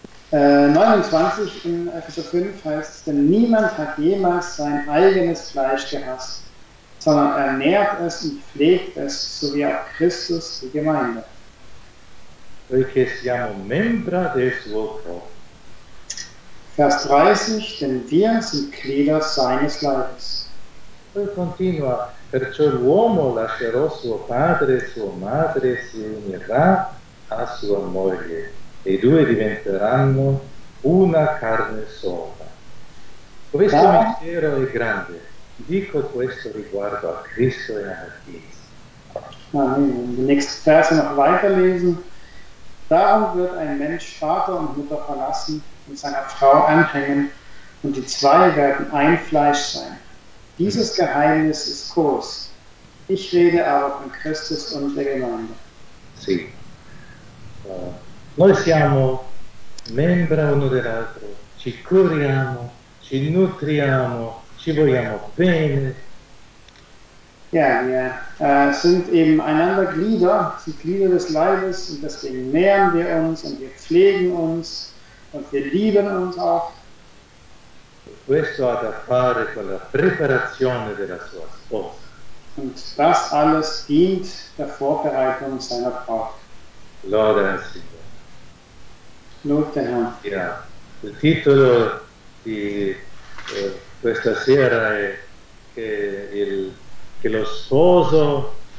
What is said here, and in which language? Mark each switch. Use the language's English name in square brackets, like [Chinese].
[German] Verse 29 in Epheser 5 heißt es, denn niemand hat jemals sein eigenes Fleisch gehasst, sondern ernährt es und pflegt es, so wie auch Christus die Gemeinde. [Italian] Poiché siamo membra del suo corpo. [German] Vers 30, denn wir sind Glieder seines Leibes. [Italian] Poi continua, perciò l'uomo lascerà suo padre e sua madre, si unirà a sua moglie, e i due diventeranno una carne sola. Questo mistero è grande, dico questo riguardo a Cristo e alla Chiesa. [German] Il nächsten Vers noch weiterlesen. Darum wird ein Mensch Vater und Mutter verlassen und seiner Frau anhängen, und die zwei werden ein Fleisch sein. Dieses Geheimnis ist groß. Ich rede aber von Christus und der Gemeinde. [Italian] Sì. Noi siamo membra uno dell'altro, ci curiamo, ci nutriamo, ci vogliamo bene. [German] Ja, wir sind eben einander Glieder, sind Glieder des Leibes, und deswegen nähren wir uns und wir pflegen uns und wir lieben uns auch. [Italian] Questo ha da fare con la preparazione della sua sposa. [German] Und das alles dient der Vorbereitung seiner Frau. [Italian] Gloria al Signore. [German] Lob den Herrn. [Italian] Ja, il titolo di questa sera è che lo sposo